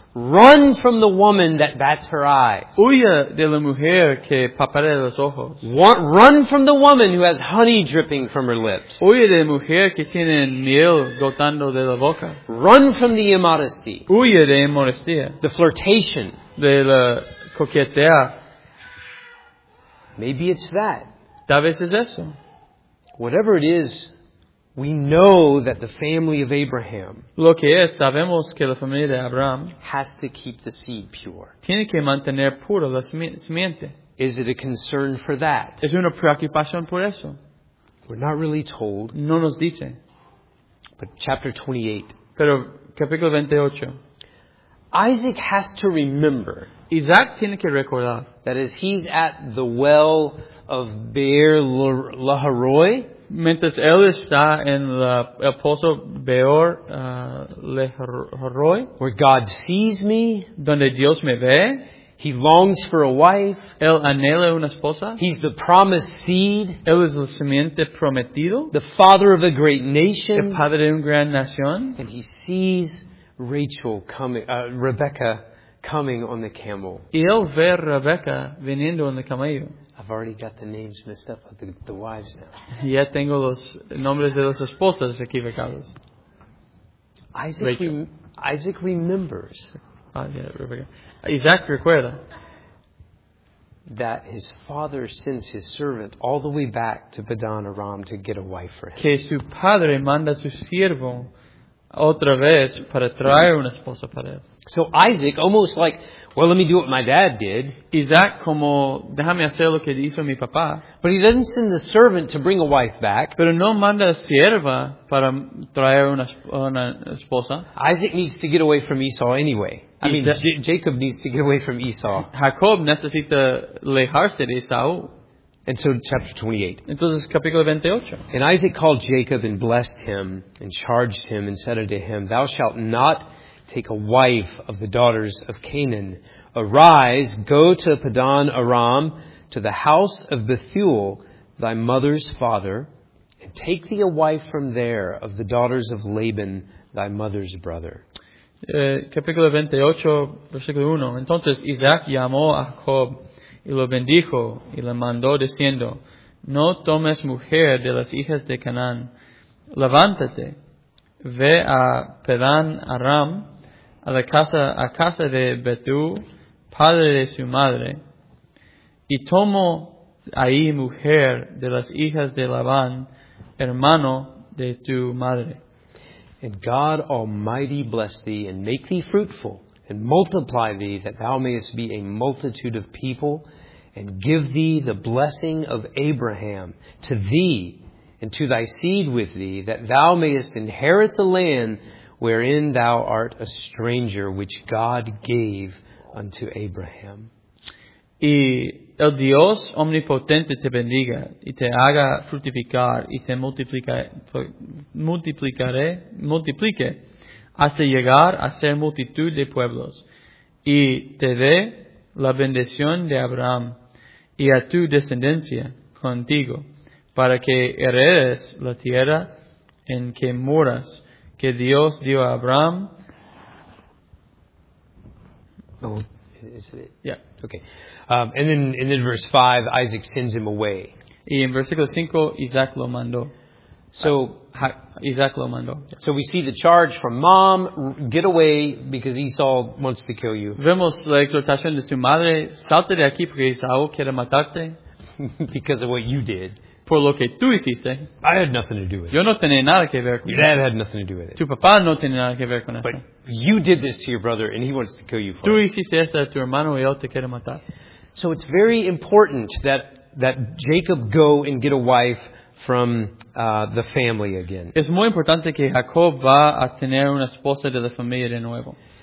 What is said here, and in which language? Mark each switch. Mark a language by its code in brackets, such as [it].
[en] Run from the woman that bats her eyes. [es] Huya de la mujer que parpadea los ojos. [en] Run from the woman who has honey dripping from her lips. [es] Huya de la mujer que tiene miel gotando de la boca. [en] Run from the immodesty. [es] Huya de la inmodestia. [en] The flirtation. [es] De la coquetea. [en] Maybe it's that. [es] Tal vez es eso. [en] Whatever it is, we know that the family of Abraham, [es] lo que es, sabemos que la familia de Abraham [en] has to keep the seed pure. [es] Tiene que mantener puro la simiente. [en] Is it a concern for that? [es] Es una preocupación por eso. [en] We're not really told. [es] No nos dice. [en] But chapter 28. [es] Pero capítulo 28. [en] Isaac has to remember. [es] Isaac tiene que recordar. [en] That is, he's at the well of Beer Laharoi. [es] Mientras él está en el pozo Beor Laharoi, [en] where God sees me, [es] donde Dios me ve, [en] he longs for a wife. [es] Él anhela una esposa. [en] He's the promised seed. [es] Él es la simiente prometido. [en] The father of a great nation. [es] El padre de una gran nación. [en] And he sees Rachel coming, Rebecca coming on the camel. [es] Y él ve a Rebecca viniendo en el camello. [en] I've already got the names messed up of the wives now. [es] Ya tengo los nombres de las esposas equivocados. [en] Isaac remembers. [es] Isaac recuerda. [en] That his father sends his servant all the way back to Padan Aram to get a wife for him. [es] Que su padre manda su siervo otra vez para traer una esposa para él. [en] So Isaac, almost like, well, let me do what my dad did. [es] Isaac, como, déjame hacer lo que hizo mi papá. [en] But he doesn't send the servant to bring a wife back. [es] Pero no manda a sierva para traer una esposa. [en] Isaac needs to get away from Esau anyway. Jacob needs to get away from Esau. [es] Jacob necesita alejarse de Esau. [en] And so chapter 28. [es] Entonces, capítulo 28. [en] And Isaac called Jacob and blessed him and charged him and said unto him, thou shalt not take a wife of the daughters of Canaan. Arise, go to Padan Aram, to the house of Bethuel, thy mother's father, and take thee a wife from there of the daughters of Laban, thy mother's brother. [es] Capítulo 28, versículo 1. Entonces Isaac llamó a Jacob y lo bendijo y le mandó diciendo, no tomes mujer de las hijas de Canaán. Levántate, ve a Padan Aram, a casa de Bethuel, padre de su madre, y tomó ahí mujer de las hijas de Labán, hermano de tu madre. [en] And God Almighty bless thee, and make thee fruitful, and multiply thee, that thou mayest be a multitude of people, and give thee the blessing of Abraham to thee, and to thy seed with thee, that thou mayest inherit the land wherein thou art a stranger, which God gave unto Abraham. [es] Y el Dios omnipotente te bendiga, y te haga fructificar, y te multiplique, hasta llegar a ser multitud de pueblos, y te dé la bendición de Abraham, y a tu descendencia contigo, para que heredes la tierra en que moras, que Dios dio a Abraham. [en] Oh, Is it? Yeah. Okay. And then verse 5, Isaac sends him away. [es] Y en versículo 5, Isaac lo mandó. [en] So we see the charge from mom, get away because Esau wants to kill you. [es] Vemos la exhortación de su madre, salte de aquí porque Esau quiere matarte. [en] Because of what you did. [es] Por lo que tú hiciste. [en] I had nothing to do with it. [es] Yo no tenía nada que ver con eso. [en] Your dad had nothing to do with it. [es] Tu papá no tenía nada que ver con eso. [en] But you did this to your brother and he wants to kill you for it. [es] Tú hiciste esto a tu hermano y él te quiere matar. [en] So it's very important that Jacob go and get a wife from the family again. [es] Es muy importante que Jacob va a tener una esposa de la familia de nuevo.